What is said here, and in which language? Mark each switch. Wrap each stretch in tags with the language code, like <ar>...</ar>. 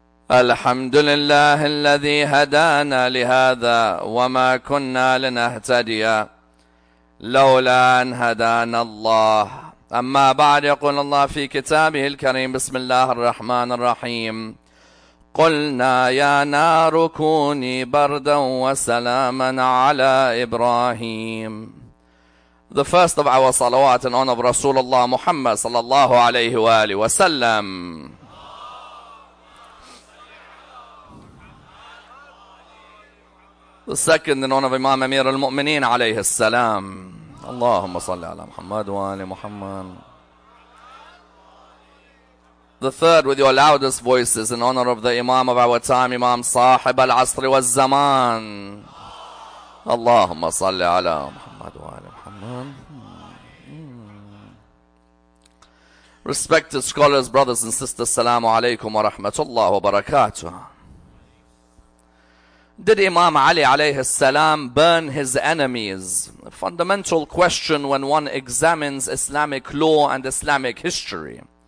<ar>الحمد لله الذي هدانا لهذا وما كنا لنهتدي لولا أن هدانا الله. أما بعد، يقول الله في كتابه الكريم، بسم الله الرحمن الرحيم: قلنا يا نار كوني بردا وسلاما على إبراهيم.</ar> <en>The first of our salawat in honor of Rasulullah Muhammad</en> <ar>صلى الله عليه وآله وسلم.</ar> <en>The second in honor of Imam Amir al-Mu'mineen</en> <ar>عليه السلام. اللهم صل على محمد وآل محمد.</ar> <en>The third with your loudest voices in honor of the Imam of our time, Imam</en> <ar>صاحب العصر والزمان. اللهم صل على محمد وآل محمد.</ar> <en>Respected scholars, brothers and sisters,</en> <ar>السلام عليكم ورحمة الله وبركاته.</ar> <en>Did Imam Ali alayhi salam burn his enemies? A fundamental question when one examines Islamic law and Islamic history.</en>